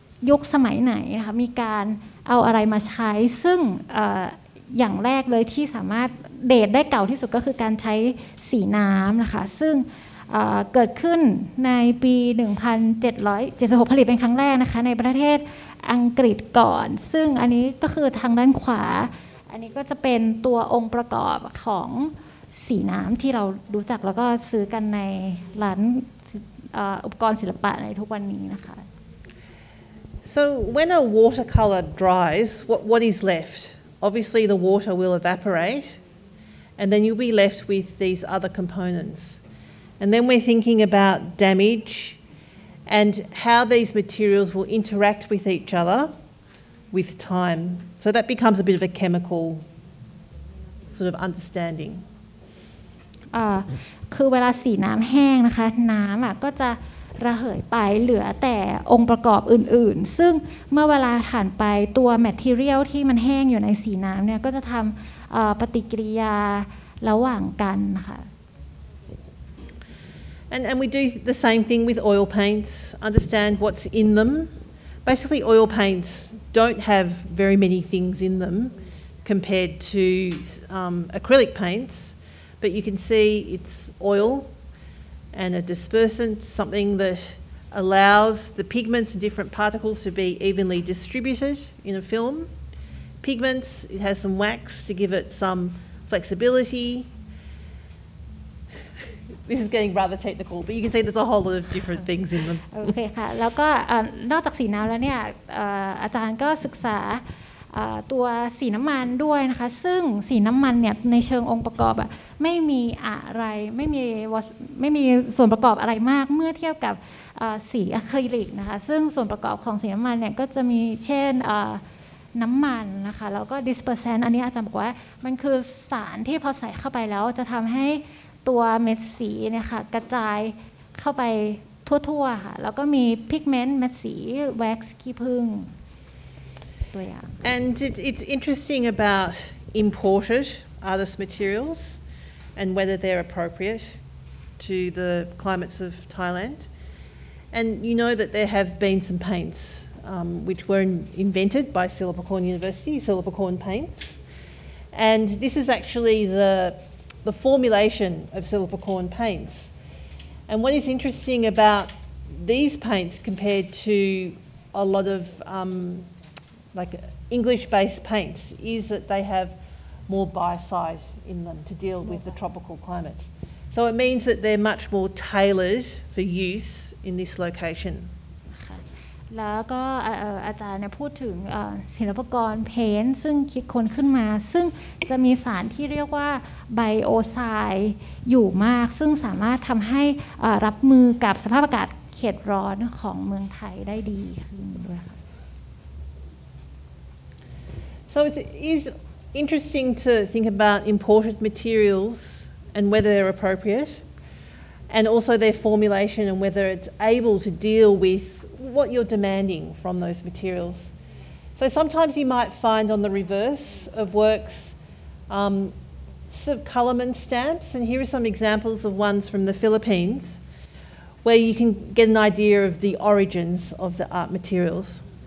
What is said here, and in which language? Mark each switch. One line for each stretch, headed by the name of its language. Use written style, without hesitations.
Thai: ยุคสมัยไหนนะคะมีการเอาอะไรมาใช้ซึ่ง อย่างแรกเลยที่สามารถเดทได้เก่าที่สุดก็คือการใช้สีน้ำนะคะซึ่ง เกิดขึ้นในปี1776ผลิตเป็นครั้งแรกนะคะในประเทศอังกฤษก่อนซึ่งอันนี้ก็คือทางด้านขวาอันนี้ก็จะเป็นตัวองค์ประกอบของสีน้ำที่เรารู้จักแล้วก็ซื้อกันในร้าน อุปกรณ์ศิลปะในทุกวันนี้นะคะ
English: So when a watercolour dries, what is left? Obviously the water will evaporate, and then you'll be left with these other components. And then we're thinking about damage and how these materials will interact with each other with time. So that becomes a bit of a chemical sort of understanding.
Thai: คือเวลาสีน้ำแห้งนะคะน้ำอ่ะก็จะระเหยไปเหลือแต่องค์ประกอบอื่นๆซึ่งเมื่อเวลาผ่านไปตัวแมททีเรียลที่มันแห้งอยู่ในสีน้ำเนี่ยก็จะทำปฏิกิริยาระหว่างกันค่ะ
English: And we do the same thing with oil paints. Understand what's in them. Basically oil paints don't have very many things in them compared to acrylic paints, but you can see it's oiland a dispersant, something that allows the pigments and different particles to be evenly distributed in a film. Pigments, it has some wax to give it some flexibility. This is getting rather technical, but you can see there's a whole lot of different things in them.
Thai: Okay, ค่ะ แล้วก็นอกจากสีน้ำแล้วเนี่ยอาจารย์ก็ศึกษาตัวสีน้ำมันด้วยนะคะซึ่งสีน้ำมันเนี่ยในเชิงองค์ประกอบอะไม่มีอะไรไม่ มีส่วนประกอบอะไรมากเมื่อเทียบกับสีอะคริลิกนะคะซึ่งส่วนประกอบของสีน้ำมันเนี่ยก็จะมีเช่นน้ำมันนะคะแล้วก็ dispersant อันนี้อาจารย์บอกว่ามันคือสารที่พอใส่เข้าไปแล้วจะทำให้ตัวเม็ดสีเนี่ยค่ะกระจายเข้าไปทั่วๆค่ะแล้วก็มี pigment เม็ดสี wax ขี้ผึ้ง
English: And it's interesting about imported artist materials and whether they're appropriate to the climates of Thailand. And you know that there have been some paints which were invented by Silapakorn University, Silapakorn paints. And this is actually the formulation of Silapakorn paints. And what is interesting about these paints compared to a lot of like English-based paints is that they have more biocide in them to deal with the tropical climates. So it means that they're much more tailored for use in this location.
Thai: แล้วก็อาจารย์เนี่ยพูดถึงศิลปกรเพ้นท์ซึ่งคิดค้นขึ้นมาซึ่งจะมีสารที่เรียกว่าไบโอไซด์อยู่มากซึ่งสามารถทำให้รับมือกับสภาพอากาศเขตร้อนของเมืองไทยได้ดีขึ้นด้วยค่ะ
English: So it's interesting to think about imported materials and whether they're appropriate and also their formulation and whether it's able to deal withwhat you're demanding from those materials. So sometimes you might find on the reverse of works sort of Cullerman stamps, and here are some examples of ones from the Philippines where you can get an idea of the origins of the art materials.